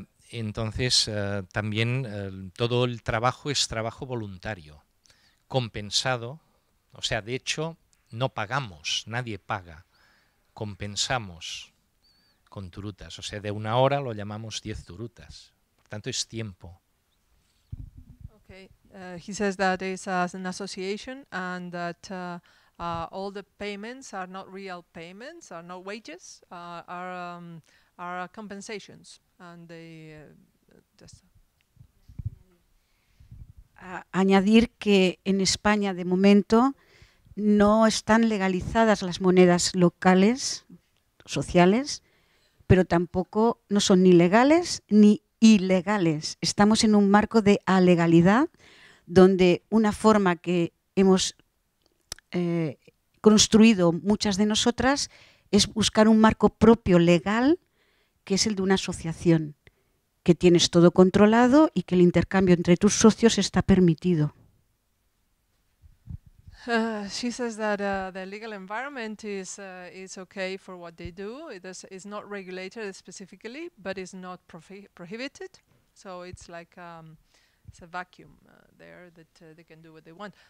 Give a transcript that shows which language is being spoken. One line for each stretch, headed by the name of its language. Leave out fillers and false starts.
Spanish: Entonces, también todo el trabajo es trabajo voluntario, compensado. O sea, de hecho, no pagamos, nadie paga. Compensamos con turutas. O sea, de una hora lo llamamos 10 turutas. Por tanto, es tiempo.
English: Okay. He says that it's an association and that all the payments are not real payments, are not wages, are compensations. And they just
Spanish: añadir que en España de momento no están legalizadas las monedas locales, sociales, pero tampoco no son ni legales ni ilegales. Estamos en un marco de alegalidad donde una forma que hemos construido muchas de nosotras es buscar un marco propio legal que es el de una asociación, que tienes todo controlado y que el intercambio entre tus socios está permitido.
English: She says that the legal environment is okay for what they do. It is not regulated specifically, but is not prohibited. So it's like it's a vacuum there that they can do what they want.